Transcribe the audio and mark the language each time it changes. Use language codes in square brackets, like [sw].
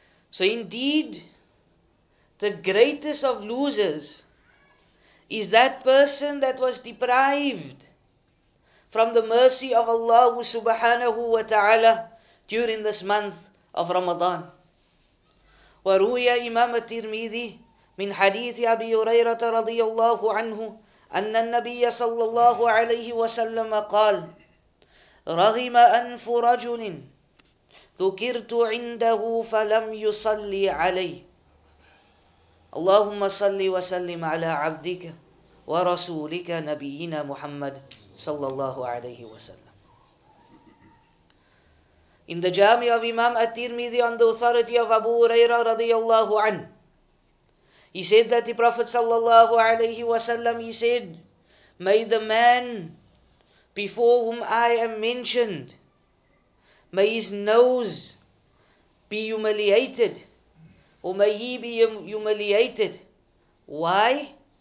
[en] So indeed, the greatest of losers is that person that was deprived from the mercy of Allah subhanahu wa ta'ala during this month of Ramadan. [ar] وروي إمام الترمذي من حديث أبي هريرة رضي الله عنه أن النبي صلى الله عليه وسلم قال رغم أنف رجل ذكرت عنده فلم يصلي عليه اللهم صل وسلم على عبدك ورسولك نبينا محمد صلى الله عليه وسلم. [en] In the Jami of Imam At-Tirmidhi on the authority of Abu Huraira radiyallahu an, he said that the Prophet sallallahu alayhi wa sallam, he said, may the man before whom I am mentioned, may his nose be humiliated, or may he be humiliated. Why?